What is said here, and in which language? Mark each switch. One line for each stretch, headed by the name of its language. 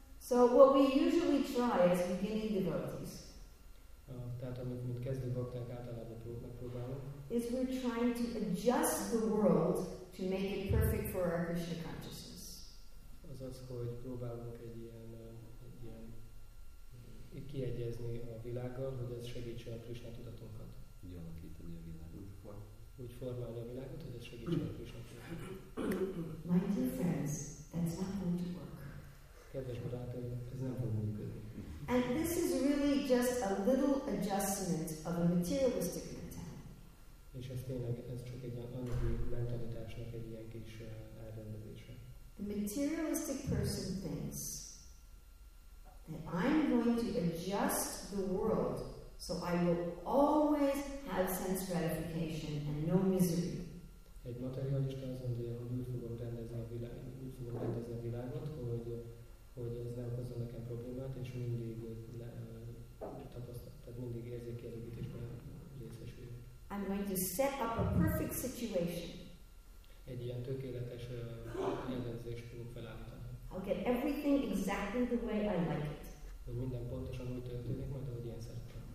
English: So what we usually try as beginning devotees,
Hungarian: tehát amit kezdő bakták általában megpróbálunk,
English: is we're trying to adjust the world to make it perfect for our Krishna consciousness.
Hungarian: Azaz, hogy próbálunk egy ilyen kiegyezni a világgal, hogy ez segítse a Krishna tudatunkat. Úgy alakítani a világot. Úgy formálni a világot, hogy ez segítse a Krishna tudatunkat.
English: My dear friends, that's not going to work.
Hungarian: Kedves barátaim, ez nem fog működni.
English: And this is really just a little adjustment of a materialistic mentality.
Hungarian: És ez tényleg, ez csak egy anyagi mentalitásnak egy ilyen kis elrendezése.
English: The materialistic person thinks that I'm going to adjust the world so I will always have sense gratification and no misery.
Hungarian: Egy materialista azt mondja, hogy úgy fogom rendezni a világot, hogy ez nem okozza nekem problémát, és mindig tapasztalat, mindig érzékelőítésben részesül.
English: I'm going to set up a perfect situation.
Hungarian: Egy ilyen tökéletes rendezést fogok felállítani.
English: I'll get everything exactly the way I like it.
Hungarian: Hogy minden pontosan úgy történik, majd ahogy én szeretem.